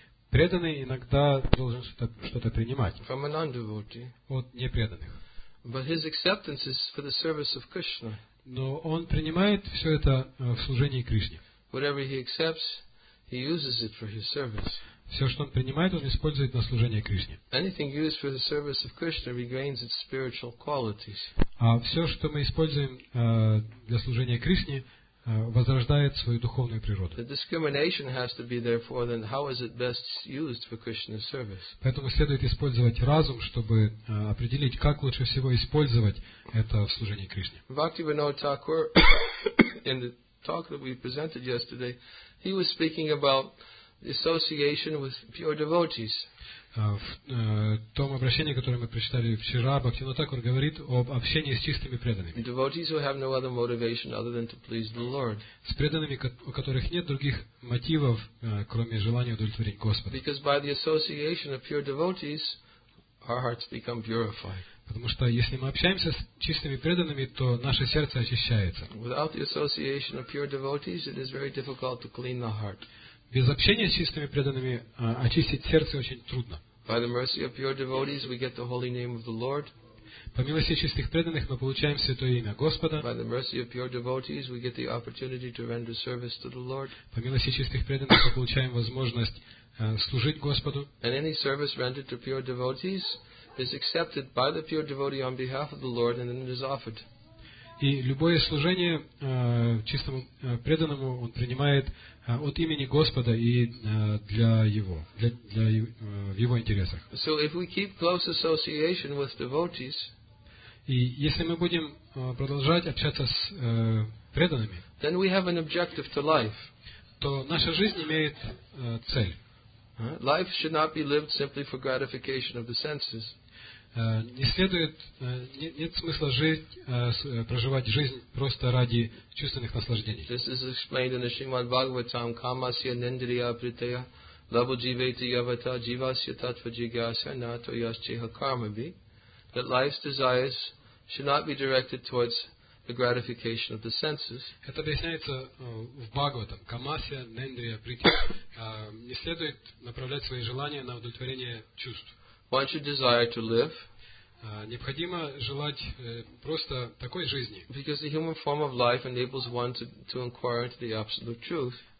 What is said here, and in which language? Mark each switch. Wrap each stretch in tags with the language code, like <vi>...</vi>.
<ru>Преданный иногда должен что-то принимать</ru> <en>from a non-devotee.</en> <ru>От непреданных.</ru> <en>But his acceptance is for the service of Krishna.</en> <ru>Но он принимает все это в служении Кришне.</ru> <en>Whatever he accepts, he uses it for his service.</en> <ru>Все, что он принимает, он использует на служение Кришне.</ru> <en>Anything used for the service of Krishna regains its spiritual qualities.</en> <ru>А все, что мы используем для служения Кришне, возрождает свою духовную природу.</ru> <en>The discrimination has to be therefore, then how is it best used for Krishna's service?</en> <ru>Поэтому следует использовать разум, чтобы определить, как лучше всего использовать это в служении Кришне.</ru> <en>Bhaktivinoda Thakur, in the talk that we presented yesterday, he was speaking about association with pure devotees.</en> <ru>В том обращении, которое мы прочитали вчера, Бхактивинода Тхакур говорит об общении с чистыми преданными.</ru> <en>Devotees who have no other motivation other than to please the Lord.</en> <ru>С преданными, у которых нет других мотивов, кроме желания удовлетворить Господа.</ru> <en>Because by the association of pure devotees, our hearts become purified.</en> <ru>Потому что если мы общаемся с чистыми преданными, то наше сердце очищается.</ru> <en>Without the association of pure devotees, it is very difficult to clean the heart.</en> <ru>Без общения с чистыми преданными очистить сердце очень трудно.</ru> <en>By the mercy of pure devotees, we get the holy name of the Lord.</en> <ru>По милости чистых преданных мы получаем святое имя Господа.</ru> <en>By the mercy of pure devotees, we get the opportunity to render service to the Lord.</en> <ru>По милости чистых преданных мы получаем возможность служить Господу.</ru> <en>And any service rendered to pure devotees is accepted by the pure devotee on behalf of the Lord, and then it is offered.</en> <ru>И любое служение чистому преданному он принимает от имени Господа и для его, в его интересах.</ru> <en>So if we keep close association with devotees,</en> <ru>и если мы будем продолжать общаться с преданными,</ru> <en>then we have an objective to life.</en> <ru>То наша жизнь имеет цель.</ru> <en>Life should not be lived simply for gratification of the senses.</en> <ru>Не следует, нет смысла жить, проживать жизнь просто ради чувственных наслаждений.</ru> <en>This is explained in the Srimad Bhagavatam,</en> <sa>Kamasya Nindriya Pritaya, Labu Jiveti Yavata, Jivasya Tattva Jigyasa, Nato Yascheha Karmabhi,</sa> <en>that life's desires should not be directed towards the gratification of the senses.</en> <ru>Это объясняется в Бхагаватам,</ru> <sa>Kamasya Nindriya Pritaya.</sa> <ru>Не следует направлять свои желания на удовлетворение чувств.</ru> <en>One should desire to live.</en> <ru>Необходимо желать просто такой жизни.</ru> <en>Because the human form of life enables one to inquire into the absolute truth.</en>